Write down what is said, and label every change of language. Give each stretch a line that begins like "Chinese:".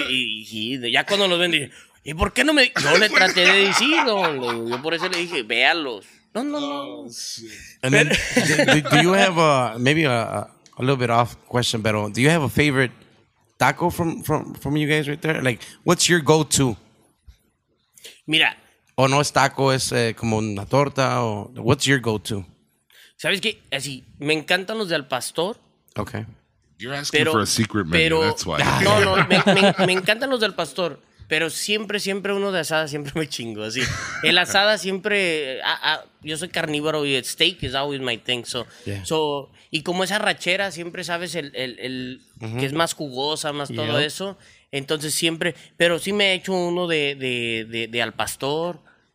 Spanish: Y ya cuando los ven, dije, ¿y por qué no me...? Yo le traté de decir, no, yo por eso le dije, véalos. No.
English: And then, do you have a little bit off question, pero do you have a favorite taco from you guys right there? Like, what's your go-to?
Spanish: Mira. O no es taco, es como una torta, o
English: what's your go-to?
Spanish: ¿Sabes qué? Así, me encantan los de Al Pastor. Okay.
English: You're asking pero, for a secret menu, pero, that's why.
Spanish: No, me encantan los del pastor, pero siempre uno de asada siempre me chingo, así. El asada siempre, yo soy carnívoro y
English: steak is always my thing, so. Yeah.
Spanish: So y como esa arrachera siempre sabes el que es más jugosa, más todo eso, entonces siempre, pero sí me he hecho uno de Al Pastor.